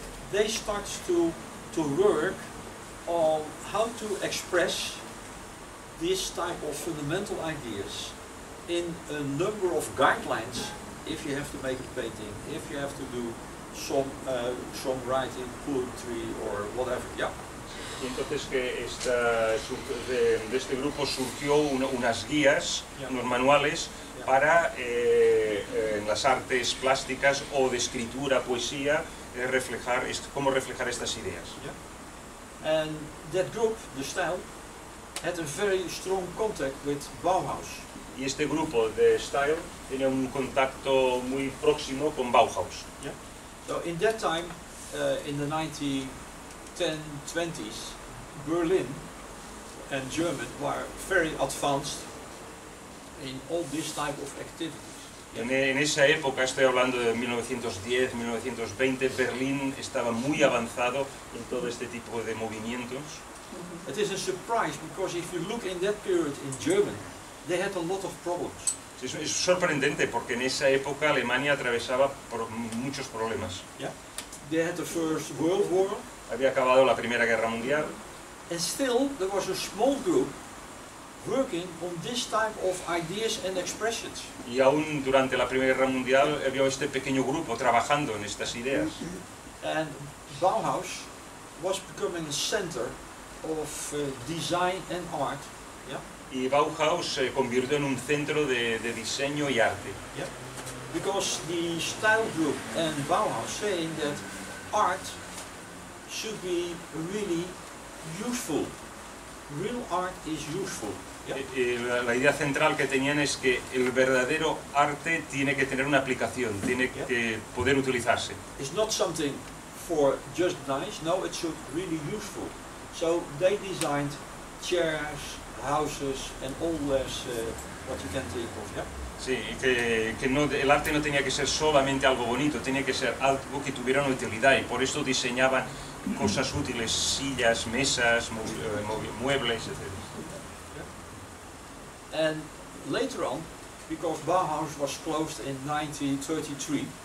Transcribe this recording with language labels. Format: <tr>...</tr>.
<en>They start to work on how to express this type of fundamental ideas in a number of guidelines, if you have to make a painting, if you have to do some writing, poetry or whatever. Yeah.</en> <es>Entonces que esta, de este grupo surgió unas guías, yeah, unos manuales, yeah, para en las artes plásticas o de escritura, poesía, reflejar cómo reflejar estas ideas.</es> <en>Yeah. And that group, the style, had a very strong contact with Bauhaus.</en> <es>Y este grupo, the style, tenía un contacto muy próximo con Bauhaus.</es> <en>Yeah. So in that time, in the 1910-20s, Berlin and German were very advanced in all this type of activities.</en> <es>En esa época, estoy hablando de 1910-1920, Berlín estaba muy avanzado en todo este tipo de movimientos.</es> <en>It is a surprise because if you look in that period in Germany, they had a lot of problems.</en> <es>Es sorprendente porque en esa época Alemania atravesaba por muchos problemas.</es> <en>Yeah. They had the First World War.</en> <es>Había acabado la Primera Guerra Mundial.</es> <en>And still there was a small group working on this type of ideas and expressions.</en> <es>Y aún durante la Primera Guerra Mundial había este pequeño grupo trabajando en estas ideas.</es> <en>And Bauhaus was becoming a center of design and art. Yeah.</en> <es>Y Bauhaus se convirtió en un centro de diseño y arte.</es> <en>Yeah. Because the style group and Bauhaus saying that art should be really useful, real art is useful.</en> <es>La idea central que tenían es que el verdadero arte tiene que tener una aplicación, tiene que poder utilizarse.</es> <en>It's not something for just nice, no, it should really useful. So they designed chairs, houses and all this what you can think of,</en> <es>Sí, que no, el arte no tenía que ser solamente algo bonito, tenía que ser algo que tuviera una utilidad y por eso diseñaban cosas útiles, sillas, mesas, muebles, etc.</es> <en>And later on, because Bauhaus was closed in 1933.</en>